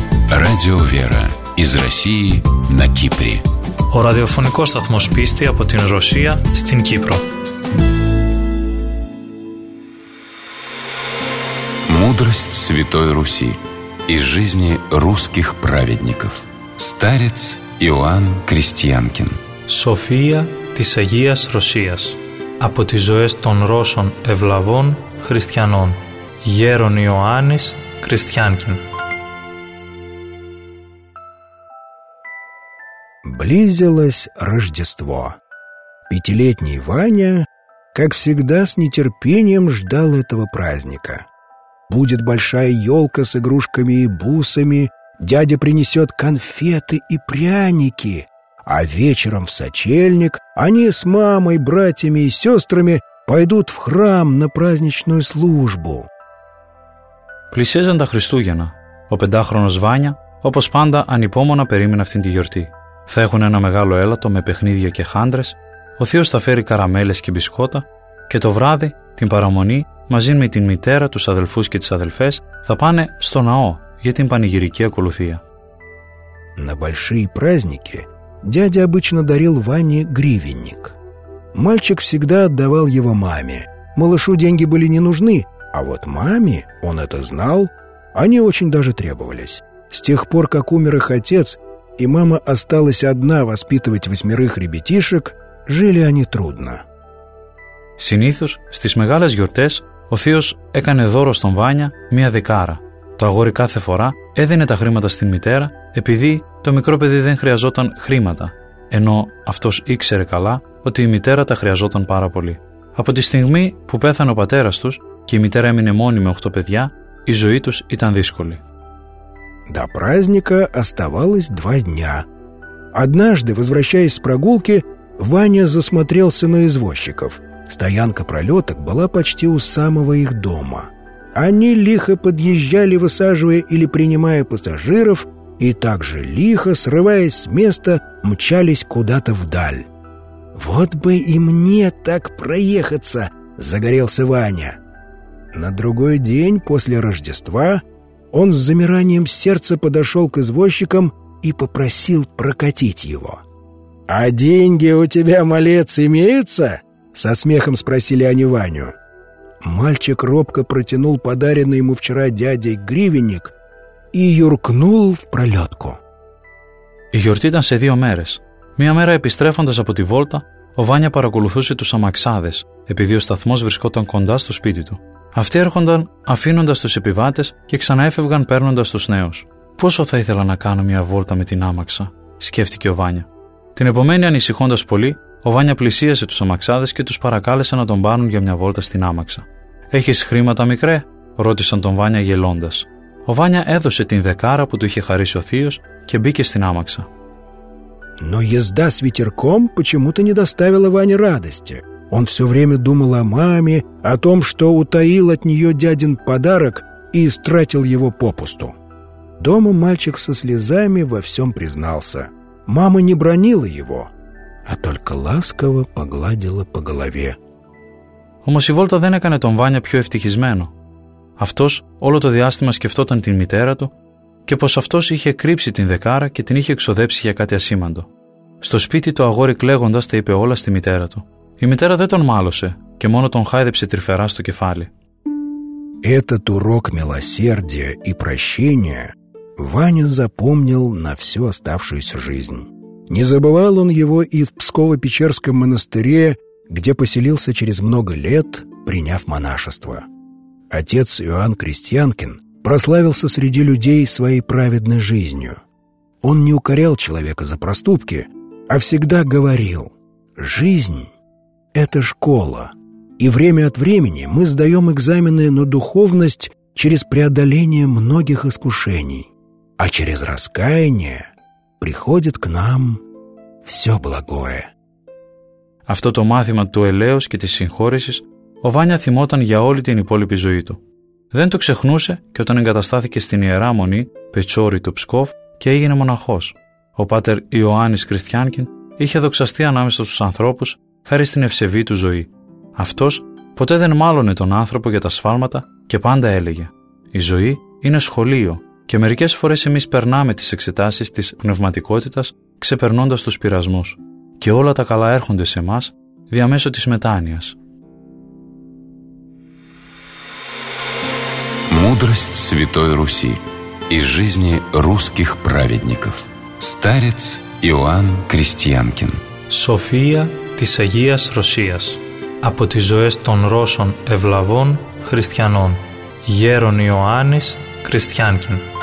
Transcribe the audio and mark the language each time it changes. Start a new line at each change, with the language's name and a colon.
Russian: Радио Вера из России на Кипре.
Greek: Ο ραδιοφωνικός σταθμός πίστη από την Ρωσία στην Κύπρο.
Russian: Мудрость Святой Руси из жизни русских праведников. Старец Иоанн Крестьянкин.
Greek: София της Αγίας Ρωσίας. Από τις ζωές των Ρώσων ευλαβών χριστιανών. Γέρον Ιωάννης Κριστιάνκιν.
Russian: Близилось Рождество. Пятилетний Ваня, как всегда, с нетерпением ждал этого праздника. Будет большая елка с игрушками и бусами, дядя принесет конфеты и пряники, а вечером в сочельник они с мамой, братьями и сестрами пойдут в храм на праздничную службу.
Greek: Плесезан до Христугена. О пятихронос Ваня, опос панда анипомона перимен αυτήν την γιορτή. Θα έχουν ένα μεγάλο έλατο με παιχνίδια και χάντρες, ο θείος θα φέρει καραμέλες και μπισκότα και το βράδυ, την παραμονή, μαζί με την μητέρα, τους αδελφούς και τις αδελφές, θα πάνε στο ναό για την πανηγυρική ακολουθία.
Russian: На большие праздники дядя обычно дарил Ване гривенник. Мальчик всегда отдавал его маме. Малышу деньги были не нужны, а вот маме, он это знал, они очень даже требовались. С тех пор, как умер их отец, и мама осталась одна воспитывать восьмерых ребятишек, жили они трудно.
Greek: Συνήθως, στις μεγάλες γιορτές, ο θείος έκανε δώρο στον Βάνια μία δεκάρα. Το αγόρι κάθε φορά έδινε τα χρήματα στη μητέρα, επειδή το μικρό παιδί δεν χρειαζόταν χρήματα, ενώ αυτός ήξερε καλά ότι η μητέρα τα χρειαζόταν πάρα πολύ. Από τη στιγμή που πέθανε ο πατέρας τους και η μητέρα έμεινε μόνη με 8 παιδιά, η ζωή τους ήταν δύσκολη.
Russian: До праздника оставалось два дня. Однажды, возвращаясь с прогулки, Ваня засмотрелся на извозчиков. Стоянка пролеток была почти у самого их дома. Они лихо подъезжали, высаживая или принимая пассажиров, и также лихо, срываясь с места, мчались куда-то вдаль. «Вот бы и мне так проехаться!» – загорелся Ваня. На другой день после Рождества он с замиранием сердца подошел к извозчикам и попросил прокатить его. «А деньги у тебя, малец, имеются?» – со смехом спросили они Ваню. Мальчик робко протянул подаренный ему вчера дядей гривенник и юркнул в пролетку.
Greek: Η γιορτή ήταν σε δύο μέρες. Μία μέρα επιστρέφοντας από τη βόλτα, ο Βάνια παρακολουθούσε τους αμαξάδες, επειδή ο σταθμός βρισκόταν κοντά στο σπίτι του. Αυτοί έρχονταν αφήνοντας τους επιβάτες και ξαναέφευγαν παίρνοντας τους νέους. «Πόσο θα ήθελα να κάνω μια βόλτα με την άμαξα», σκέφτηκε ο Βάνια. Την επομένη, ανησυχώντας πολύ, ο Βάνια πλησίασε τους αμαξάδες και τους παρακάλεσε να τον πάρουν για μια βόλτα στην άμαξα. «Έχεις χρήματα, μικρέ?» ρώτησαν τον Βάνια γελώντας. Ο Βάνια έδωσε την δεκάρα που του είχε χαρίσει ο θείος και μπήκε στην άμαξα.
Russian: Но езда с ветерком почему-то не доставила Ване радости. Он все время думал о маме, о том, что утаил от нее дядин подарок и истратил его попусту. Дома мальчик со слезами во всем признался. Мама не бронила его, а только ласково погладила по голове.
Greek: Όμως η βόλτα δεν έκανε τον Ваня πιο ευτυχισμένο. Αυτός όλο το διάστημα σκεφτόταν την μητέρα του και πως αυτός είχε κρύψει την δεκάρα και την είχε εξοδέψει για κάτι ασήμαντο. Στο σπίτι το αγόρι κλαίγοντας τα είπε όλα στη μητέρα του. Η μητέρα δεν τον μάλωσε και μόνο τον χάιδεψε τρυφερά στο κεφάλι.
Russian: Этот урок милосердия и прощения Ваня запомнил на всю оставшуюся жизнь. Не забывал он его и в Псково-Печерском монастыре, где поселился через много лет, приняв монашество. Отец Иоанн Крестьянкин прославился среди людей своей праведной жизнью. Он не укорял человека за проступки, а всегда говорил: «Жизнь – это школа, и время от времени мы сдаем экзамены на духовность через преодоление многих искушений, а через раскаяние приходит к нам все благое».
Greek: Αυτό το μάθημα του ελέους και της συγχώρεσης ο Βάνια θυμόταν για όλη την υπόλοιπη ζωή του. Δεν το ξεχνούσε και όταν εγκαταστάθηκε στην Ιερά Μονή, Πετσόρι του Ψκόφ, και έγινε μοναχός. Ο πάτερ Ιωάννης Κριστιάνκιν είχε δοξαστεί ανάμεσα στους ανθρώπους χάρη στην ευσεβή του ζωή. Αυτός ποτέ δεν μάλωνε τον άνθρωπο για τα σφάλματα και πάντα έλεγε: «Η ζωή είναι σχολείο και μερικές φορές εμείς περνάμε τις εξετάσεις της πνευματικότητας ξεπερνώντας τους πειρασμούς. Και όλα τα καλά έρχονται σε εμάς διαμέσω της μετάνοιας».
Russian: Мудрость Святой Руси из жизни русских праведников. Старец Иоанн Крестьянкин.
Greek: Σοφία της Αγίας Ρωσίας. Από τις ζωές των Ρώσων ευλαβών χριστιανών. Γέρον Ιωάννης Κριστιάνκιν.